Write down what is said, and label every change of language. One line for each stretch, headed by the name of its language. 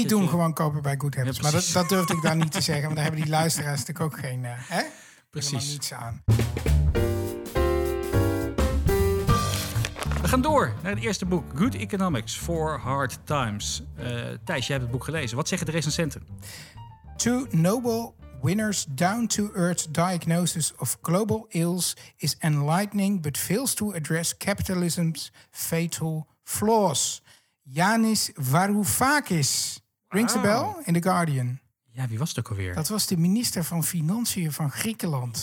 Dutch: niet doen, gewoon kopen bij Good Habits. Ja, maar dat durfde ik daar niet te zeggen, want daar hebben die luisteraars natuurlijk ook geen. Precies. Helemaal niets aan. We gaan door naar het eerste boek, Good Economics for Hard Times. Thijs, jij hebt het boek gelezen. Wat zeggen de recensenten?
English: Two noble winners' down-to-earth diagnosis of global ills is enlightening, but fails to address capitalism's fatal flaws. Yanis Varoufakis rings a bell in The Guardian.
Dutch: Ja, wie was het ook alweer? Dat was de minister van Financiën van Griekenland.